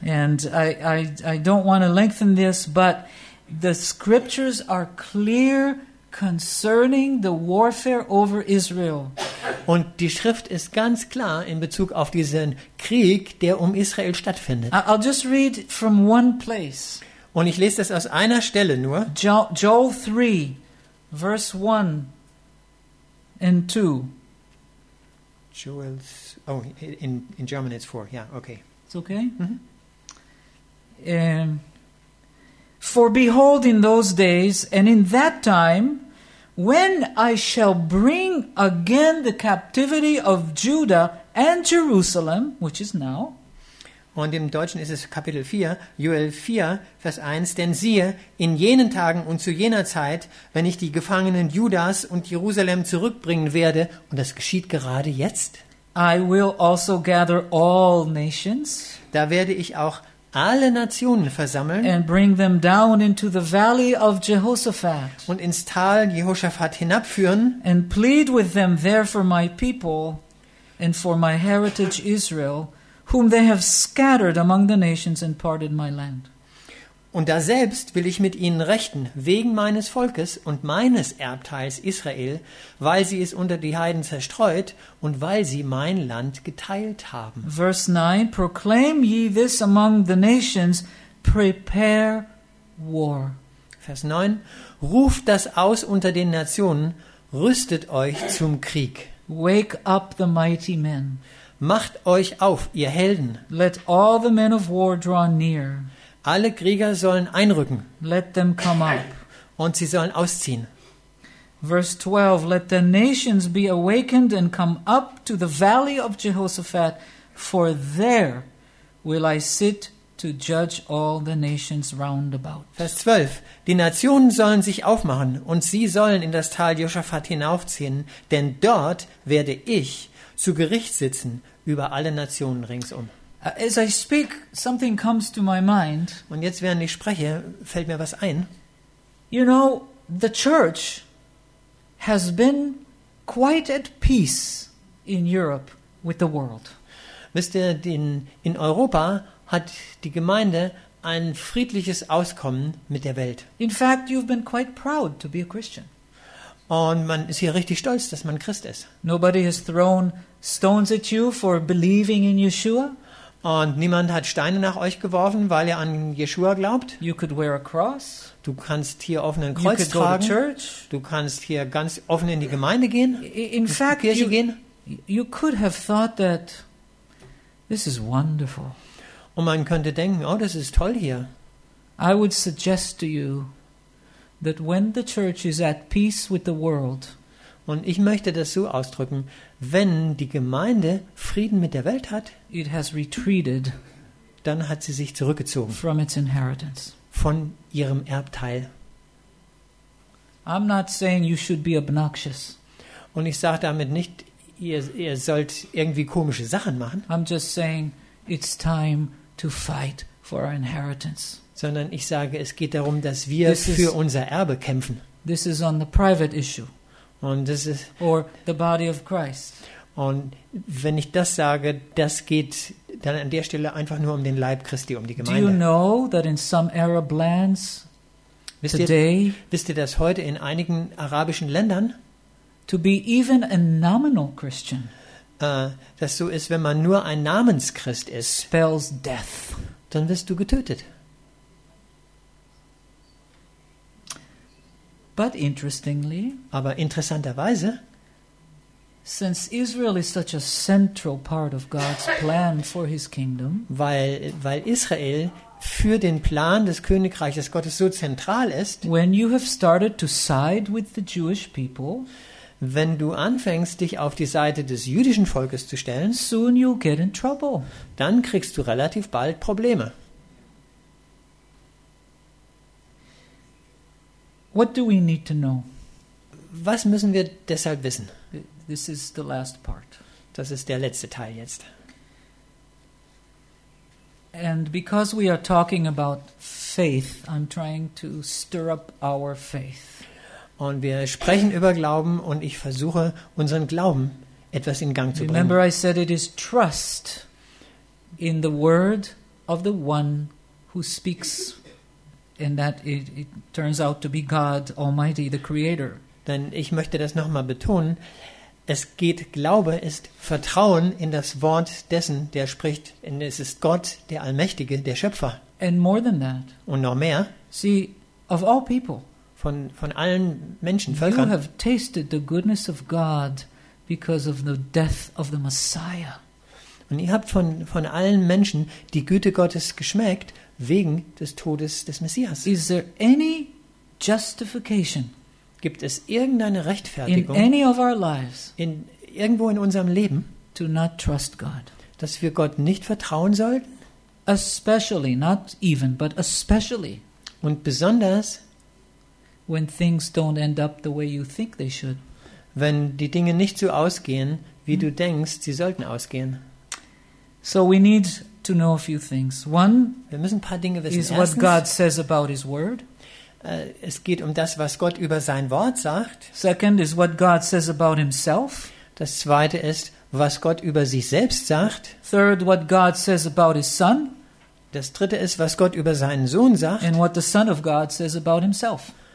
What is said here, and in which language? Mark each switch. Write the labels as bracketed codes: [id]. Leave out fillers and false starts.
[en] And I don't want to lengthen this, but the scriptures are clear concerning the warfare over Israel. [de] Und die Schrift ist ganz klar in Bezug auf diesen Krieg, der um Israel stattfindet. [en] I'll just read from one place. [de] Und ich lese das aus einer Stelle nur. [en] Joel 3, verse 1 and 2. In German it's 4. Yeah, okay. It's okay? Mm-hmm. For behold, in those days, and in that time, when I shall bring again the captivity of Judah and Jerusalem, which is now. [de] Und im Deutschen ist es Kapitel 4, Joel 4, Vers 1. Denn siehe, in jenen Tagen und zu jener Zeit, wenn ich die Gefangenen Judas und Jerusalem zurückbringen werde, und das geschieht gerade jetzt, [en] I will also gather all nations. [de] Da werde ich auch alle Nationen versammeln [en] and bring them down into the valley of Jehoshaphat [de] und ins Tal Jehoshaphat hinabführen [en] and plead with them there for my people and for my heritage Israel, whom they have scattered among the nations and parted my land. [de] Und da selbst will ich mit ihnen rechten, wegen meines Volkes und meines Erbteils Israel, weil sie es unter die Heiden zerstreut und weil sie mein Land geteilt haben. [en] Verse 9, proclaim ye this among the nations, prepare war. [de] Vers 9, ruft das aus unter den Nationen, rüstet euch zum Krieg. [en] Wake up the mighty men. [de] Macht euch auf, ihr Helden. [en] Let all the men of war draw near. [de] Alle Krieger sollen einrücken. [en] Let them come up. [de] Und sie sollen ausziehen. [en] Verse 12, let the nations be awakened and come up to the valley of Jehoshaphat, for there will I sit to judge all the nations round about. [de] Vers 12, die Nationen sollen sich aufmachen und sie sollen in das Tal Jehoshaphat hinaufziehen, denn dort werde ich zu Gericht sitzen über alle Nationen ringsum. [en] As I speak, something comes to my mind. [de] Und jetzt, während ich spreche, fällt mir was ein. [en] You know, the church has been quite at peace in Europe with the world. [de] Wisst ihr, in Europa hat die Gemeinde ein friedliches Auskommen mit der Welt. [en] In fact, you've been quite proud to be a Christian. [de] Und man ist hier richtig stolz, dass man Christ ist. [en] Nobody has thrown stones at you for believing in Yeshua. [de] Und niemand hat Steine nach euch geworfen, weil ihr an Yeshua glaubt. [en] You could wear a cross. [de] Du kannst hier offen ein Kreuz tragen. Du kannst hier ganz offen in die Gemeinde gehen. [en] In fact, you could have thought that this is wonderful. [de] Und man könnte denken, oh, das ist toll hier. [en] I would suggest to you that when the church is at peace with the world. [de] Und ich möchte das so ausdrücken, wenn die Gemeinde Frieden mit der Welt hat, [en] it has retreated, [de] dann hat sie sich zurückgezogen [en] from its inheritance. [de] Von ihrem Erbteil. [en] I'm not saying you should be obnoxious. [de] Und ich sage damit nicht, ihr sollt irgendwie komische Sachen machen. [en] I'm just saying it's time to fight for our inheritance. [de] Sondern ich sage, es geht darum, dass wir für unser Erbe kämpfen. [en] This is on the private issue. [de] Und das ist, [en] or the body of Christ. [de] Und wenn ich das sage, das geht dann an der Stelle einfach nur um den Leib Christi, um die Gemeinde. [en] Do you know that in some Arab lands today, [de] wisst ihr das heute in einigen arabischen Ländern, [en] to be even a nominal Christian, [de] dass so ist, wenn man nur ein Namenschrist ist, [en] spells death. [de] Dann wirst du getötet. [en] But interestingly, [de] aber interessanterweise, [en] Since Israel is such a central part of God's plan for his kingdom, [de] weil Israel für den Plan des Königreiches Gottes so zentral ist, [en] when you have started to side with the Jewish people, [de] wenn du anfängst, dich auf die Seite des jüdischen Volkes zu stellen, [en] soon you'll get in trouble. [de] Dann kriegst du relativ bald Probleme. [en] What do we need to know? [de] Was müssen wir deshalb wissen? [en] This is the last part. [de] Das ist der letzte Teil jetzt. [en] And because we are talking about faith, I'm trying to stir up our faith. [de] Und wir sprechen über Glauben und ich versuche, unseren Glauben etwas in Gang zu bringen. [en] Remember, I said it is trust in the word of the one who speaks, and that it turns out to be God Almighty, the Creator. [de] Denn ich möchte das nochmal betonen, es geht, Glaube ist Vertrauen in das Wort dessen, der spricht, und es ist Gott, der Allmächtige, der Schöpfer. [en] And more than that, [de] und noch mehr, [en] see, of all people, [de] von allen Menschen, Völkern, [en] you have tasted the goodness of God because of the death of the Messiah. [de] Und ihr habt von allen Menschen die Güte Gottes geschmeckt wegen des Todes des Messias. [en] Is there any justification? [de] Gibt es irgendeine Rechtfertigung [en] in any of our lives, [de] in irgendwo in unserem Leben, [en] to not trust God, [de] dass wir Gott nicht vertrauen sollten? [en] Especially, not even, but especially, [de] und besonders, [en] when things don't end up the way you think they should, [de] wenn die Dinge nicht so ausgehen, wie du denkst, sie sollten ausgehen. [en] So we need to know a few things. One, [de] wir müssen ein paar Dinge wissen. [en] Is what God says about his word. [de] Es geht um das, was Gott über sein Wort sagt. [en] Second is what God says about himself. [de] Das zweite ist, was Gott über sich selbst sagt. [en] Third, what God says about his son. [de] Das dritte ist, was Gott über seinen Sohn sagt. [en] And what the son of God says about himself.